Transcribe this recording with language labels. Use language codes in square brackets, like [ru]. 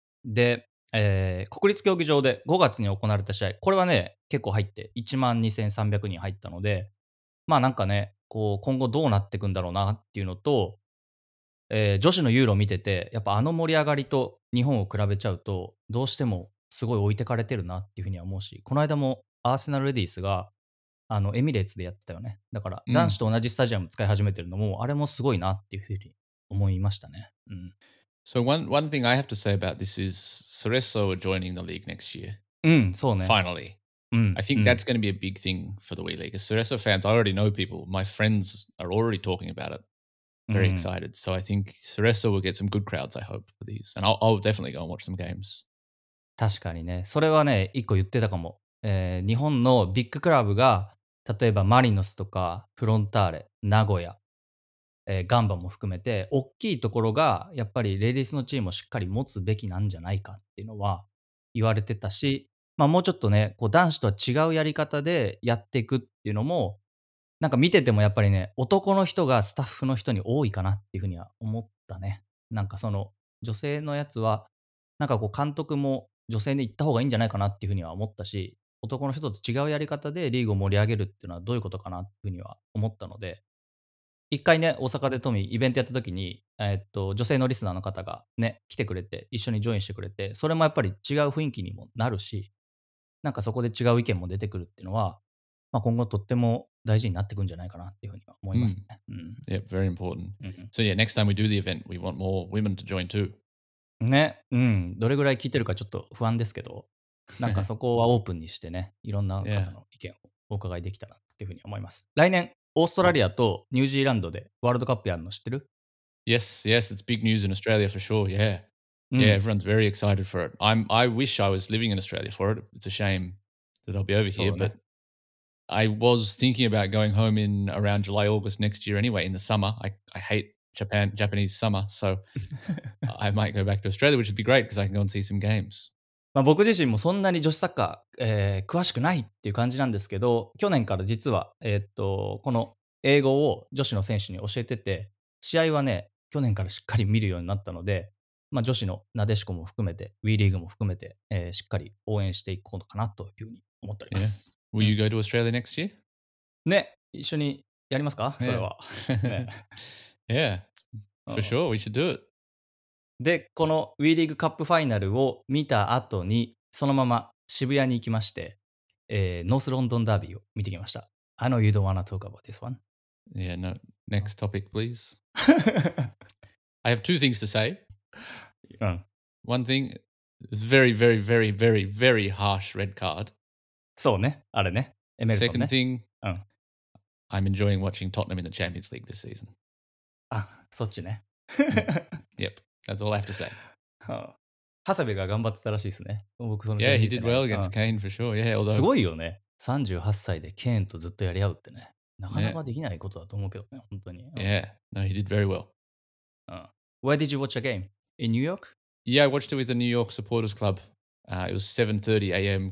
[ja] で、国立競技場で5月に行われた試合、これはね結構入って12300人入ったので、まあなんかねこう今後どうなっていくんだろうなっていうのと、女子のユーロ見ててやっぱあの盛り上がりと日本を比べちゃうとどうしてもすごい置いてかれてるなっていうふうには思うし、この間もアーセナルレディースがあのエミレーツでやってたよね。だから男子と同じスタジアム使い始めてるのも、うん、あれもすごいなっていうふうに思いましたね。うん。 [en] So one thing I have to say about this is Cerezo joining the league next year. [ja] うん、そうね。 [en] Finally. I think that's going to be a big thing for the Wii League. As Cerezo fans, I already know people. My friends are already talking about it. Very excited. So I think Cerezo will get some good crowds, I hope, for these. And I'll definitely go and watch some games. [ja] 確かにね。それはね、一個言ってたかも。日本のビッグクラブが、例えばマリノスとかフロンターレ、名古屋、ガンバも含めて、大きいところがやっぱりレディースのチームをしっかり持つべきなんじゃないかっていうのは言われてたし、まあ、もうちょっとねこう男子とは違うやり方でやっていくっていうのもなんか見ててもやっぱりね男の人がスタッフの人に多いかなっていうふうには思ったね。なんかその女性のやつはなんかこう監督も女性で行った方がいいんじゃないかなっていうふうには思ったし、男の人と違うやり方でリーグを盛り上げるっていうのはどういうことかなっていうふうには思ったので、一回ね大阪でトミーイベントやった時に女性のリスナーの方がね来てくれて一緒にジョインしてくれて、それもやっぱり違う雰囲気にもなるし、なんかそこで違う意見も出てくるっていうのは、まあ、今後とっても大事になってくんじゃないかなっていうふうには思いますね。 [en] Yeah, very important. So yeah, next time we do the event, we want more women to join too. [ja] ね、うん、どれぐらい聞いてるかちょっと不安ですけど、なんかそこはオープンにしてね、いろんな方の意見をお伺いできたらっていうふうに思います。来年、オーストラリアとニュージーランドでワールドカップやるの知ってる？ [en] Yes, yes, it's big news in Australia for sure, yeah. Yeah, everyone's very excited for it. I wish I was living in Australia for it. It's a shame that I'll be over here, but I was thinking about going home in around July, August next year anyway, in the summer. I hate Japanese summer, so I might go back to Australia, which would be great because I can go and see some games. [ja] まあ僕自身もそんなに女子サッカー、詳しくないっていう感じなんですけど、去年から実はこの英語を女子の選手に教えてて、試合はね、去年からしっかり見るようになったので、まあ、女子のなでしこも含めて、ウィーリーグも含めて、しっかり応援していこうかなというふうに思っております。 [en] Yeah. Will you go to Australia next year? [ja] ね、一緒にやりますか、yeah. それは。 [en] ね、yeah, for sure, we should do it. [ja] で、このウィーリーグカップファイナルを見た後に、そのまま渋谷に行きまして、ノースロンドンダービーを見てきました。 [en] I know you don't want to talk about this one. Yeah, no. Next topic, please. I have two things to say. One thing, it's very, very, very, very, very harsh red card. [ja] そうね、あれね、エメルソンね。 [en] Second thing, I'm enjoying watching Tottenham in the Champions League this season. [ja] あ、そっちね。 [en] Yep, that's all I have to say. [ja] 長谷部が頑張ってたらしいですね。僕その試合見てない。 [en] Yeah, he did well against Kane for sure. Yeah, although [ja] すごいよね。 38歳でケーンとずっとやり合うってね。なかなかできないことだと思うけどね、本当に。 [en] Yeah, no, he did very well. Where did you watch a game? In New York? Yeah, I watched it with the New York Supporters Club. It was 7:30 a.m.